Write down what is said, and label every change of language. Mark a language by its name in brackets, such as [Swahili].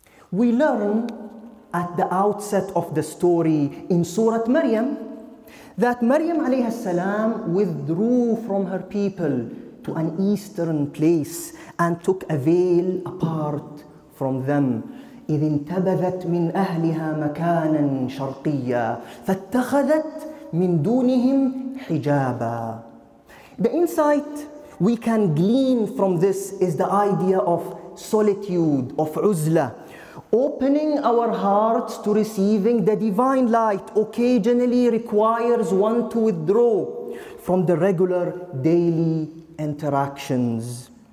[English] We learn at the outset of the story in Surah Maryam that Maryam alayha salam withdrew from her people to an eastern place and took a veil apart from them. [Arabic] إذ انتبذت من أهلها مكانا شرقيا فاتخذت من دونهم حجابا. [English] The insight we can glean from this is the idea of solitude, of عزلة, opening our hearts to receiving the divine light occasionally requires one to withdraw from the regular daily interactions.